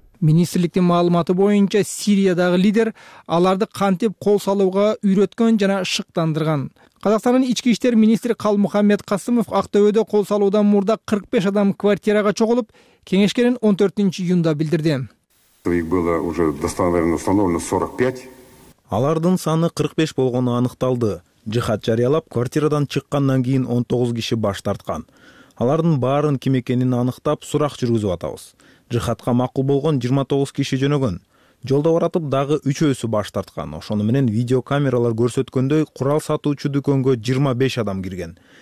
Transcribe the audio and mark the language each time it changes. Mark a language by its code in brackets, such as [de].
[ky] Министрликтин маалыматы боюнча Сириядагы лидер аларды кантип кол салууга үйрөткөн жана шыктандырган. Казакстандын ички иштер министри Калмухаммед Касымов Актөбөдө кол салуудан мурда 45 адам квартирага чогулуп, кеңешкенин 14-июнда билдирди. [ru] Их было уже достоверно установлено 45. [ky] Алардын саны 45 болгону аныкталды. Жыхат жарыялап, квартирадан чыккандан кийин 19 киши баш тарткан. Алардын баарын ким экенин аныктап, сурак жүргүзүп атабыз. Жыхатка макул болгон 29 киши жөнөгөн. Жолдо баратып дагы үчөөсү баш тарткан. Ошону менен видеокамералар көрсөткөндөй курал сатуучу дүкөнгө 25 адам кирген.